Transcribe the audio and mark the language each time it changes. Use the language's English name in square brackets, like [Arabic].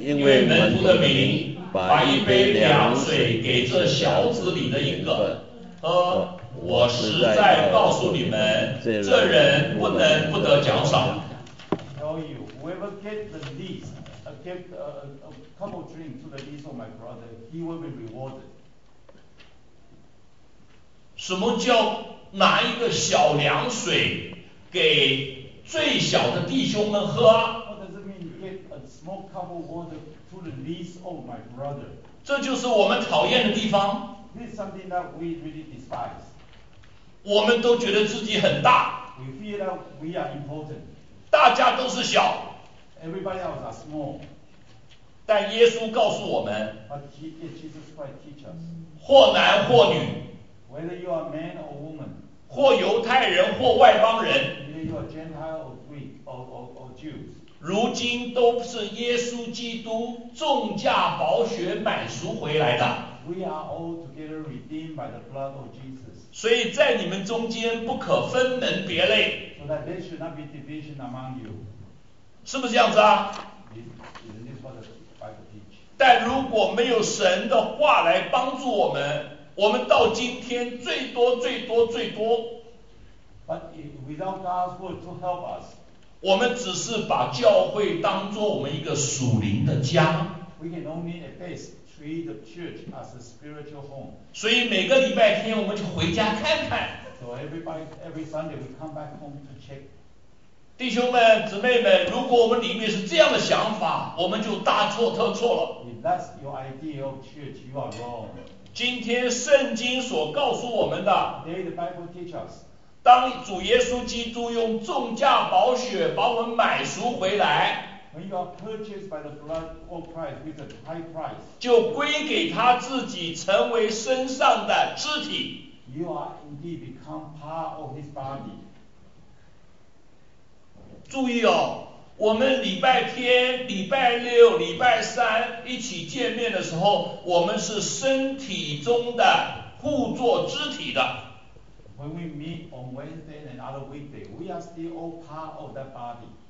[Chinese] 因为门徒的名把一杯凉水给这小子里的一个喝，我实在告诉你们，这人不能不得奖赏。 [English] Tell you, whoever gets the least, gets a couple of drinks to the least of my brother, he will be rewarded. [Chinese] 什么叫拿一个小凉水给最小的弟兄们喝？ [English] Small cup of water to the least of my brother. [Chinese] 这就是我们讨厌的地方。 [English] This is something that we really despise. [Chinese] 我们都觉得自己很大。 [English] We feel that we are important. [Chinese] 大家都是小。 [English] Everybody else are small. [Chinese] 但耶稣告诉我们。 [English] But Jesus Christ teach us. [Chinese] 或男或女。 [English] Whether you are man or woman. [Chinese] 或犹太人或外邦人。 [English] Whether you are Gentile or Greek or Jews. [Chinese] 如今都是耶稣基督重价宝血买赎回来的。 [English] We are all together redeemed by the blood of Jesus. [Chinese] 所以在你们中间不可分门别类。 [English] So that there should not be division among you. [Chinese] 是不是这样子啊？ [English] Isn't this what the Bible teach? [Chinese] 但如果没有神的话来帮助我们，我们到今天最多最多最多。 [English] But without God's word to help us. [Chinese] 我们只是把教会当作我们一个属灵的家。 [English] We can only at best treat the church as a spiritual home. [Chinese] 所以每个礼拜天我们就回家看看。 [English] So every Sunday we come back home to check. [Chinese] 弟兄们姊妹们，如果我们里面是这样的想法，我们就大错特错了。 [English] If that's your idea of church, you are wrong. [Chinese] 今天圣经所告诉我们的 [English] Today the Bible teach us, [Chinese] 当主耶稣基督用重价宝血把我们买赎回来 [English] When you are purchased by the blood full price with a high price, [Chinese] 就归给他自己成为身上的肢体 [English] You are indeed become part of his body. [Chinese] 注意哦，我们礼拜天、礼拜六、礼拜三一起见面的时候，我们是身体中的互作肢体的。 [English] When we meet on Wednesday and other weekday, we are still all part of that body.